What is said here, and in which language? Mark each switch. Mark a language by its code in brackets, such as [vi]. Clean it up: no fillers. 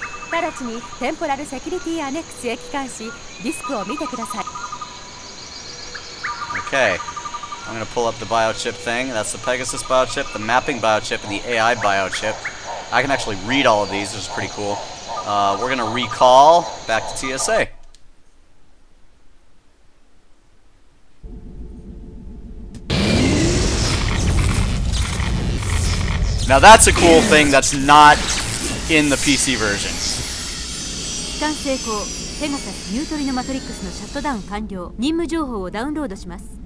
[ja] 直ちにテンポラルセキュリティアネックスへ帰還し、ディスクを見てください。 [en] Okay, I'm gonna pull up the biochip thing. That's the Pegasus biochip, the mapping biochip, and the AI biochip. I can actually read all of these, which is pretty cool. We're gonna recall back to TSA. Now that's a cool thing that's not in the PC version. [ja] 帰還成功。ペガサスニュートリノマトリックスのシャットダウン完了。任務情報をダウンロードします。